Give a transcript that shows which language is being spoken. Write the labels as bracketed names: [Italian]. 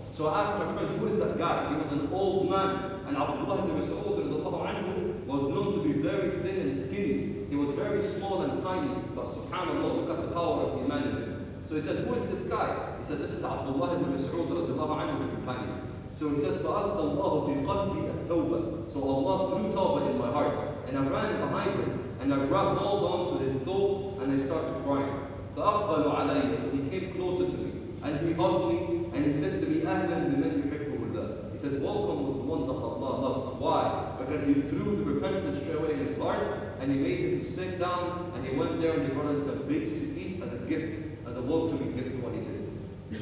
[English] So I asked my friends, who is that guy? He was an old man. And Abdullah ibn Mas'ud radiallahu anhu was known to be very thin and skinny. He was very small and tiny. But subhanAllah, look at the power of Iman in him. So he said, who is this guy? He said, this is Abdullah ibn Mas'ud radiallahu anhu, the companion. So he said, [Arabic] فَأَلْقَ اللَّهُ فِي قَلْبِي التَّوْبَةِ. [English] So Allah threw tawbah in my heart. And I ran behind him. And I grabbed hold on to his thobe and I started crying. [Arabic] فَأَقْبَلُ عَلَيْهِ. [English] So he came closer to me. And he hugged me and he said to me, [Arabic] أَهْلًا بِمَنْ يُحِبُّهُ اللَّهُ. [English] He said, welcome with the one that Allah loves. Why? Because he threw the repentance straight away in his heart and he made him to sit down and he went there and he brought him some bits to eat as a gift, as a welcoming gift to what he did.